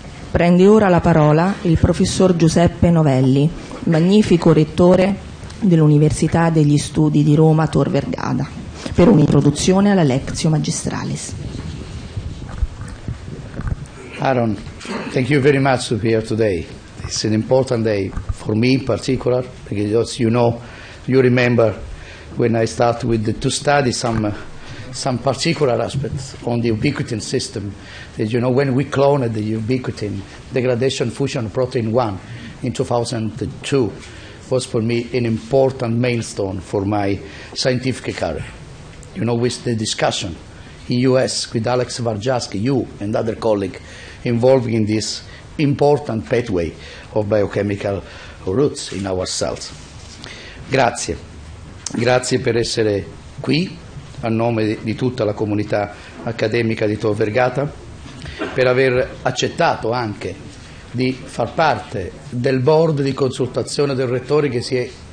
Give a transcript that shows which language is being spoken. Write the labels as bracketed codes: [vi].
[it] Prende ora la parola il professor Giuseppe Novelli, magnifico rettore dell'Università degli Studi di Roma Tor Vergata, per un'introduzione alla Lectio Magistralis. [en] Aaron, thank you very much to be here today. It's an important day for me in particular, because as you know, you remember when I start with the, to study some particular aspects on the ubiquitin system. As you know, when we cloned the ubiquitin degradation fusion protein 1 in 2002, was for me an important milestone for my scientific career. You know, with the discussion in US with Alex Varjaski, you and other colleagues involved in this important pathway of biochemical roots in our cells. [it] Grazie. Grazie per essere qui a nome di tutta la comunità accademica di Tor Vergata, per aver accettato anche di far parte del board di consultazione del Rettore che si è